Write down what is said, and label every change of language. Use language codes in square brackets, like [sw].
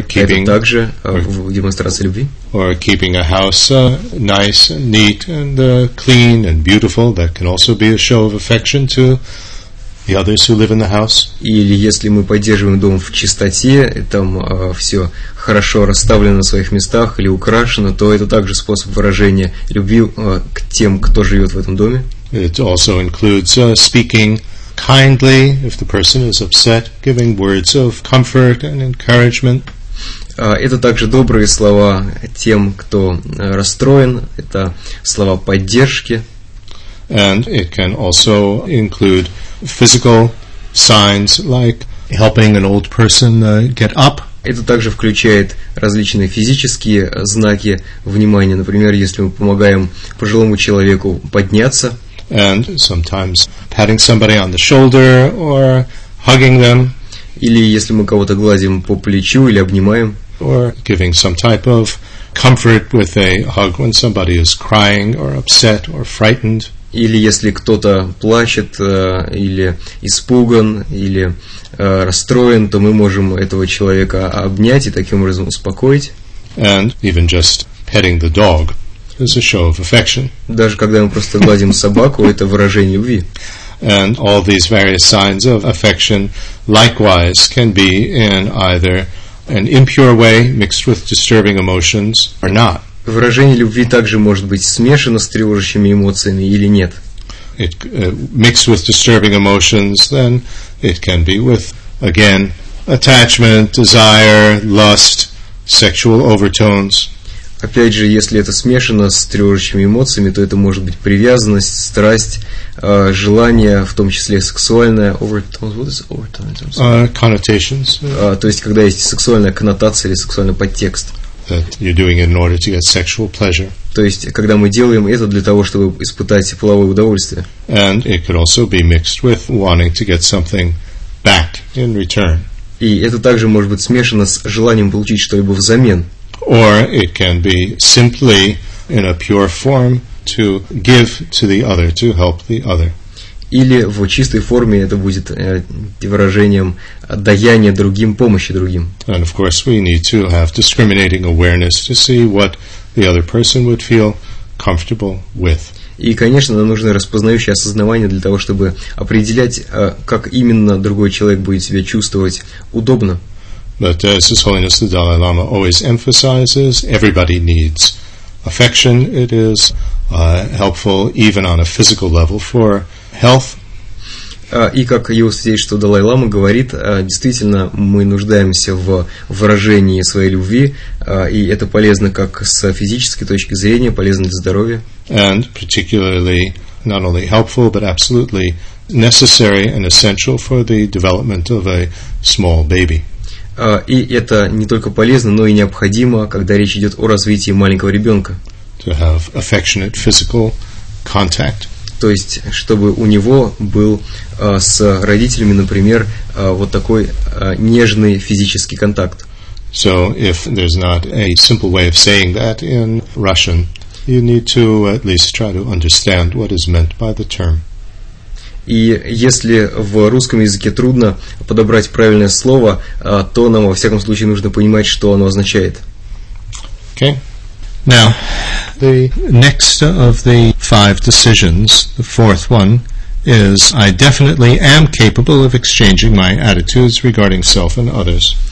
[en] keeping, [ru] это также демонстрация любви. [en] Or keeping a house nice and neat and clean and beautiful. That can also be a show of affection to the others who live in the house. [ru] Или если мы поддерживаем дом в чистоте, там все хорошо расставлено на своих местах или украшено, то это также способ выражения любви к тем, кто живет в этом доме. [en] It also includes speaking kindly if the person is upset, giving words of comfort and encouragement. [ru] Это также добрые слова тем, кто расстроен, это слова поддержки. [en] And it can also include physical signs, like helping an old person get up. [ru] Это также включает различные физические знаки внимания. Например, если мы помогаем пожилому человеку подняться. [en] And sometimes patting somebody on the shoulder or hugging them. [ru] или если мы кого-то гладим по плечу или обнимаем. [en] Or giving some type of comfort with a hug when somebody is crying or upset or frightened. [ru] Или если кто-то плачет, или испуган, или расстроен, то мы можем этого человека обнять и таким образом успокоить. [en] And even just petting the dog is a show of affection. [ru] Даже когда мы просто гладим собаку, это выражение любви. [en] And all these various signs of affection likewise can be in either an impure way mixed with disturbing emotions or not. [ru] Выражение любви также может быть смешано с тревожащими эмоциями или нет. [en] It mixed with disturbing emotions, then it can be with, again, attachment, desire, lust, sexual overtones. [ru] Опять же, если это смешано с тревожащими эмоциями, то это может быть привязанность, страсть, желание, в том числе сексуальное. [en] Overtones, what is overtones? Connotations. [ru] То есть, когда есть сексуальная коннотация или сексуальный подтекст. [en] That you're doing it in order to get sexual pleasure. [ru] То есть, когда мы делаем это для того, чтобы испытать половое удовольствие. [en] And it could also be mixed with wanting to get something back in return. [ru] И это также может быть смешано с желанием получить что-либо взамен. [en] Or it can be simply in a pure form to give to the other, to help the other. [ru] Или в чистой форме это будет выражением даяния другим, помощи другим. [en] And of course we need to have discriminating awareness to see what the other person would feel comfortable with. [ru] И, конечно, нам нужно распознающее осознавание для того, чтобы определять, как именно другой человек будет себя чувствовать удобно. [en] But as His Holiness the Dalai Lama always emphasizes, everybody needs affection. It is helpful even on a physical level for health. [ru] И как Его Святейшество Далай Лама говорит, действительно, мы нуждаемся в выражении своей любви, и это полезно как с физической точки зрения, полезно для здоровья. [en] And particularly not only helpful, but absolutely necessary and essential for the development of a small baby. [ru] И это не только полезно, но и необходимо, когда речь идет о развитии маленького ребенка. [en] To have affectionate physical contact. [ru] То есть, чтобы у него был с родителями, например, вот такой нежный физический контакт. [en] So, if there's not a simple way of saying that in Russian, you need to at least try to understand what is meant by the term. [ru] И если в русском языке трудно подобрать правильное слово, то нам, во всяком случае, нужно понимать, что оно означает. [en] Okay. Now, the next of the five decisions, the fourth one, is I definitely am capable of exchanging my attitudes regarding self and others.